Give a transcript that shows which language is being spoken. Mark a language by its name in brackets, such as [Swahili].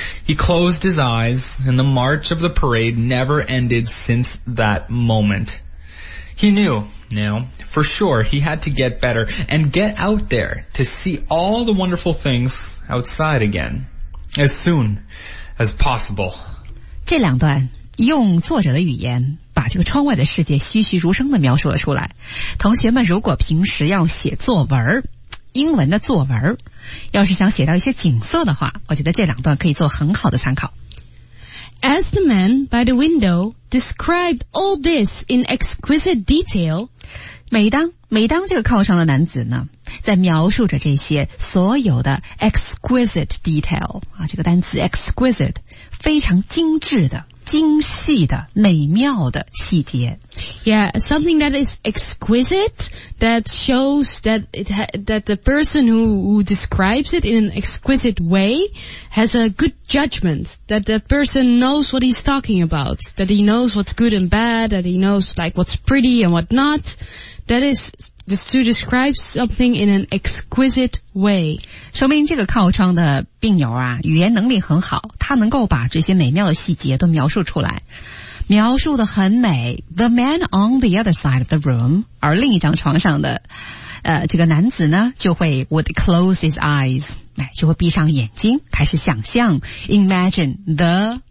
[English] He closed his eyes, and the march of the parade never ended since that moment. He knew, now, for sure, he had to get better and get out there to see all the wonderful things outside again, as soon as possible. [Chinese] 这两段用作者的语言把这个窗外的世界栩栩如生地描述了出来。同学们如果平时要写作文，英文的作文，要是想写到一些景色的话，我觉得这两段可以做很好的参考。 [English] As the man by the window described all this in exquisite detail, [Chinese] 每当这个靠窗的男子呢，在描述着这些所有的 [English] exquisite detail, [Chinese] 啊，这个单词 exquisite, 非常精致的、精细的、美妙的细节。 [English] Yeah, something that is exquisite, that shows that, that the person who describes it in an exquisite way has a good judgment, that the person knows what he's talking about, that he knows what's good and bad, that he knows like what's pretty and what not. That is to describe something in an exquisite way. [Chinese] 说明这个靠窗的病友啊，语言能力很好，他能够把这些美妙的细节都描述出来。描述得很美， [English] the man on the other side of the room, [Chinese] 而另一张床上的这个男子呢，就会 [English] would close his eyes, [Chinese] 就会闭上眼睛，开始想象 [English] imagine the